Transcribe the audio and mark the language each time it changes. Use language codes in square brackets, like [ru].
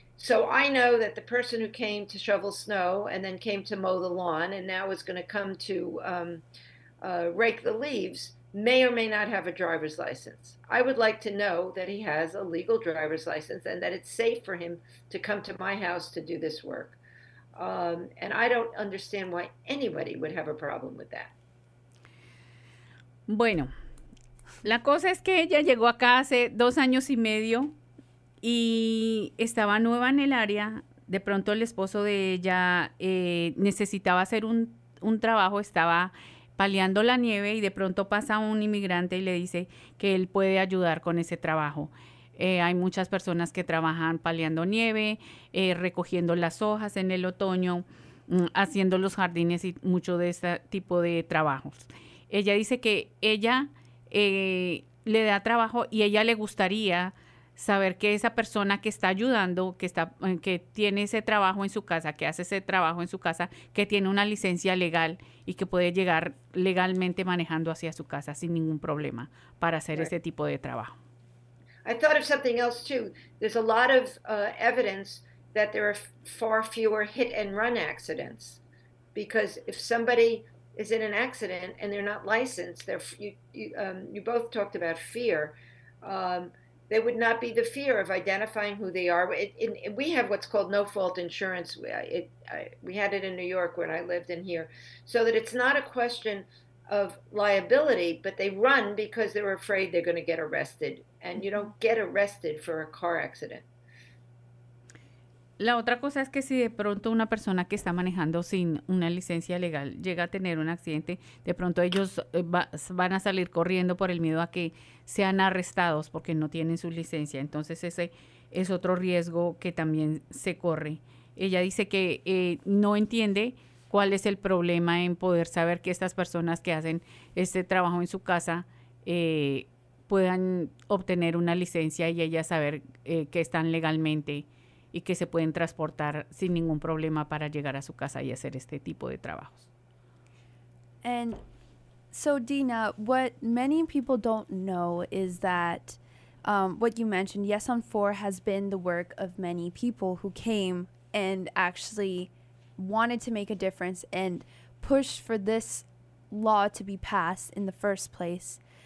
[en] So I know that the person who came to shovel snow and then came to mow the lawn and now is going to come to rake the leaves may or may not have a driver's license. I would like to know that he has a legal driver's license and that it's safe for him to come to my house to do this work. And I don't understand why anybody would have a problem with that. [es] Bueno, la cosa es que ella llegó acá hace 2 años y medio y estaba nueva en el área. De pronto el esposo de ella necesitaba hacer un trabajo, estaba paliando la nieve y de pronto pasa un inmigrante y le dice que él puede ayudar con ese trabajo. Hay muchas personas que trabajan paliando nieve, recogiendo las hojas en el otoño, haciendo los jardines y mucho de ese tipo de trabajos. Ella dice que ella le da trabajo y ella le gustaría saber que esa persona que está ayudando, que tiene ese trabajo en su casa, que hace ese trabajo en su casa, que tiene una licencia legal y que puede llegar legalmente manejando hacia su casa sin ningún problema para hacer ese tipo de trabajo. [en] I thought of something else too. There's a lot of evidence that there are far fewer hit and run accidents because if somebody is in an accident and they're not licensed, you both talked about fear. There would not be the fear of identifying who they are. We have what's called no-fault insurance. We had it in New York when I lived in here. So that it's not a question of liability, but they run because they're afraid they're going to get arrested. And you don't get arrested for a car accident. [es] La otra cosa es que si de pronto una persona que está manejando sin una licencia legal llega a tener un accidente, de pronto ellos van a salir corriendo por el miedo a que sean arrestados porque no tienen su licencia. Entonces ese es otro riesgo que también se corre. Ella dice que no entiende cuál es el problema en poder saber que estas personas que hacen este trabajo en su casa puedan obtener una licencia y ella saber que están legalmente y que se pueden transportar sin ningún problema para llegar a su casa y hacer este tipo de trabajos. [en] And so, Dina, what many people don't know is that what you mentioned, Yes on 4 has been the work of many people who came and actually wanted to make a difference and pushed for this law to be passed in the first place.